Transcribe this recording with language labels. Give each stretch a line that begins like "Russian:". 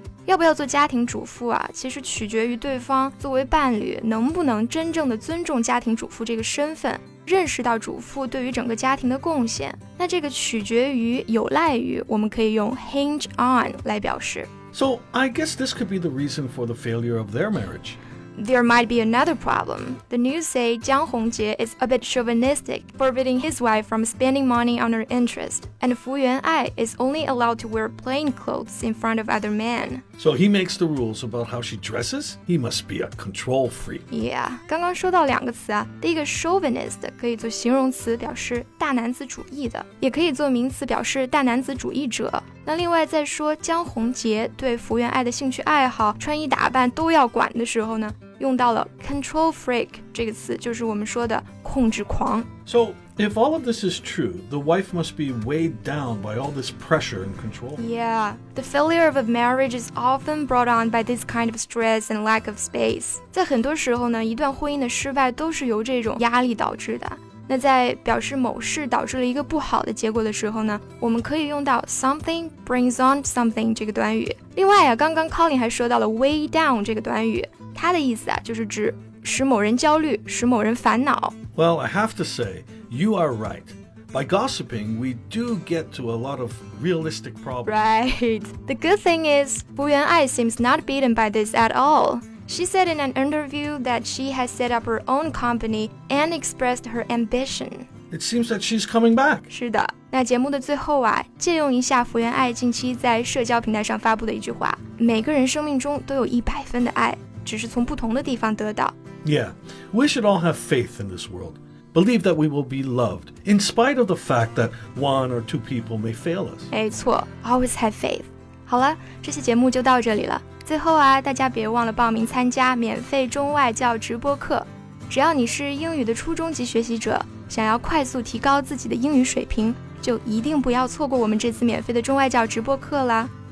Chinese: 要不要做家庭主妇啊，其实取决于对方作为伴侣能不能真正的尊重家庭主妇这个身份，认识到主妇对于整个家庭的贡献。那这个取决于，有赖于，我们可以用 hinge on 来表示。
English: So, I guess this could be the reason for the failure of their marriage. There might be another problem. The news say Jiang Hongjie is a bit chauvinistic, forbidding his wife from spending money on her interest. And Fu Yuanai is only allowed to wear plain clothes in front of other men. So he makes the rules about how she dresses? He must be a control freak.
Chinese: Yeah, 刚刚说到两个词啊，第一个 chauvinist 可以做形容词表示大男子主义的，也可以做名词表示大男子主义者。那另外再说江宏杰对福原爱的兴趣爱好穿衣打扮都要管的时候呢，用到了 control freak 这个词，就是我们说的控制狂。
English: So if all of this is true, the wife must be weighed down by all this pressure and control. Yeah, the failure of a marriage is often brought on by this kind of stress and lack of space.
Chinese: 在很多时候呢，一段婚姻的失败都是由这种压力导致的。那在表示某事导致了一个不好的结果的时候呢，我们可以用到 something brings on something 这个短语。另外啊，刚刚 Colin 还说到了 weigh down 这个短语，它的意思啊，就是指使某人焦虑，使某人烦恼。
English: Well, I have to say, you are right. By gossiping, we do get to a lot of realistic problems. Right. The good thing is, 福原爱 seems not beaten by this at all. She said in an interview that she has set up her own company and expressed her ambition. It seems that she's coming back.
Chinese: 是的，那节目的最后啊，借用一下福原爱近期在社交平台上发布的一句话，每个人生命中都有100分的爱，只是从不同的地方得到。
English: Yeah, we should all have faith in this world. Believe that we will be loved, in spite of the fact that one or two people may fail us.
Chinese: 没错，
English: always have faith.
Chinese: 好了，这期节目就到这里了。最后啊，大家别忘了报名参加免费中外教直播课。只要你是英语的初中级学习者，想要快速提高自己的英语水平，就一定不要错过我们这次免费的中外教直播课啦！